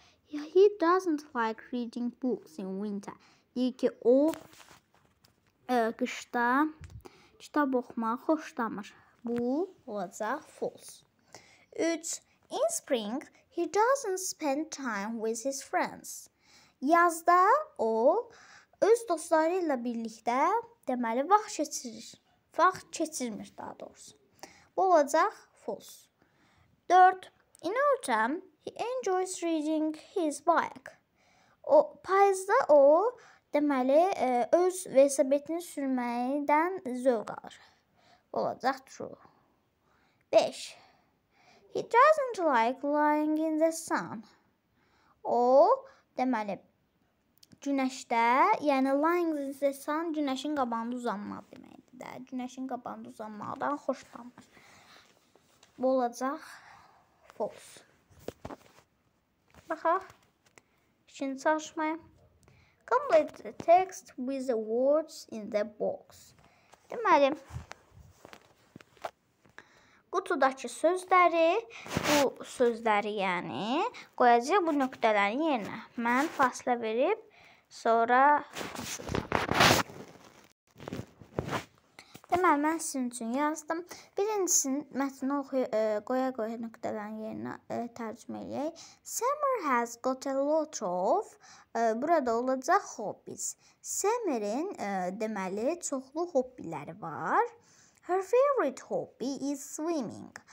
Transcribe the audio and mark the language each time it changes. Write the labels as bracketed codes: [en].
[en] He doesn't like reading books in winter. [az] Deyir ki, o qışda kitab oxumağı xoşlamır. Bu olacaq false. 3. [en] In spring, he doesn't spend time with his friends. [az] Yazda o öz dostları ilə birlikdə, deməli, vaxt keçirir. Vaxt keçirmir daha doğrusu. Bu olacaq false. 4. [en] In autumn, he enjoys riding his bike. [az] O payızda o, deməli, öz velosipedini sürməkdən zövq alır. Bu olacaq true. 5. [en] He doesn't like lying in the sun. [az] O, deməli, günəşdə, yəni [en] lying in the sun [az] günəşin qabağında uzanmaq deməkdir də. Günəşin qabağında uzanmaqdan xoşlanmır. Bu olacaq false. Baxaq. İkinci çalışmaya. [en] Complete the text with the words in the box. [az] Deməli, qutudakı sözləri, bu sözləri yəni qoyacaq bu nöqtələrin yerinə. Mən fasilə verib sonra deməli, mən sizin üçün yazdım. Birincisini mətni qoya-qoya nöqtələrin yerinə tərcümə edək. [en] Summer has got a lot of [az] burada olacaq [en] hobbies. [az] Summer'in deməli çoxlu hobbiləri var. [en] Her favorite hobby is swimming.